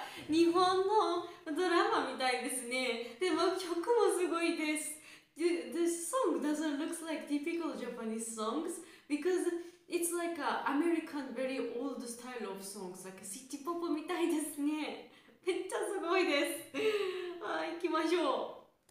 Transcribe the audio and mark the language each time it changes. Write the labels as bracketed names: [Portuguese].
[Japanese] 日本のドラマみたいですね。でも曲もすごいです。 [English] This song doesn't look like typical Japanese songs because it's like an American very old style of songs like city pop [Japanese] みたいですね。めっちゃすごいですはい、行きましょう。